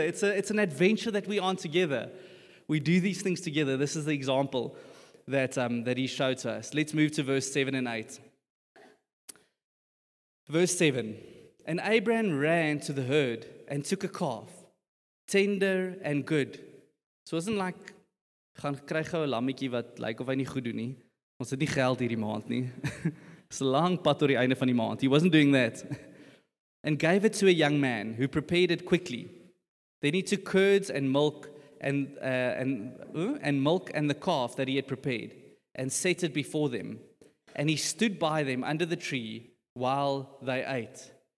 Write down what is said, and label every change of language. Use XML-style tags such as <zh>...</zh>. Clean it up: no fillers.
<en>It's an adventure that we're on together. We do these things together. This is the example that he showed to us. Let's move to verse 7 and 8. Verse 7. And Abraham ran to the herd and took a calf, tender and good. So it wasn't like,</en> <af>gaan kry gou 'n lammetjie wat lyk of hy nie goed doen nie. Ons het nie geld hierdie maand nie.</af> <en>It's a long path to the end of the month. He wasn't doing that. And gave it to a young man who prepared it quickly. Then he took curds and milk and milk and the calf that he had prepared and set it before them. And he stood by them under the tree while they ate.</en>